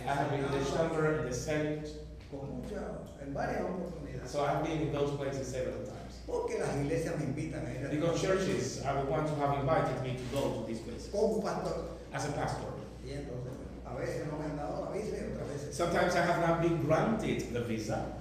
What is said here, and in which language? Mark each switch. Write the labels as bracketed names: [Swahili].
[English] I have been in the Chamber, in the Senate. [Spanish] Con mucha, en varias oportunidades. [English] So I've been in those places several times. [Spanish] Porque las iglesias me invitan a ir. [English] Because churches are the ones who have invited me to go to these places. [Spanish] Como pastor. [English] As a pastor. [Spanish] Y entonces, a veces no me han dado la visa y otras veces. [English] Sometimes I have not been granted the visa.